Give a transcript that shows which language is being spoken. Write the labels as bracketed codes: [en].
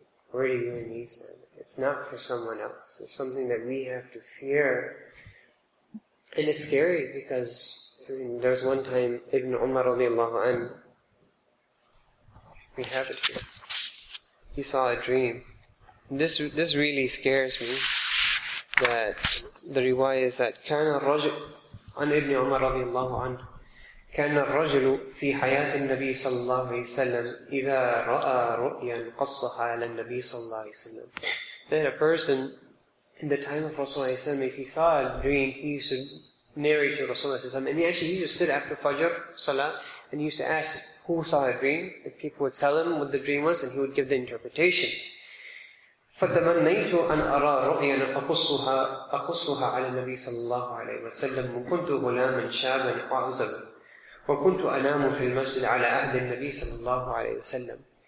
[en] Where do you and me stand? It's not for someone else. It's something that we have to fear. And it's scary because there's one time Ibn Umar radiallahu anhu, we have it here. He saw a dream. This really scares me, that the riwayah is that [ar] كَانَ الرَّجُلُ عَنْ إِبْنِ عُمَرَ رَضِيَ اللَّهُ عَنْهُ كَانَ الرَّجُلُ فِي حَيَاةِ النَّبِيِّ صَلَّى اللَّهُ عَلَيْهِ وَسَلَّمَ إِذَا رَأَى رُؤْيًا قَصَّهَا عَلَى النَّبِيِّ صَلَّى اللَّهُ عَلَيْهِ وَسَلَّمَ. [en] Then a person, in the time of Rasulullah, if he saw a dream, he used to narrate to Rasulullah, and he used to sit after Fajr, Salah, and he used to ask who saw a dream, and people would tell him what the dream was, and he would give the interpretation. [ar] فَتَمَنَّيْتُ أَنْ أَرَى رُؤْيًا أَقُصُّهَا عَلَى النَّبِي صَلَّى اللَّهُ عَلَيْهِ وَسَلَّمُ مُكُنْتُ غُلَامًا شَابًا أَعْزَبًا وَكُنْتُ أَنَامُ فِي الْمَسْجِدِ عَلَى أَهْدِ النَّبِي صَلَّى اللَّهُ عَلَيْهِ وَسَلَّمُ.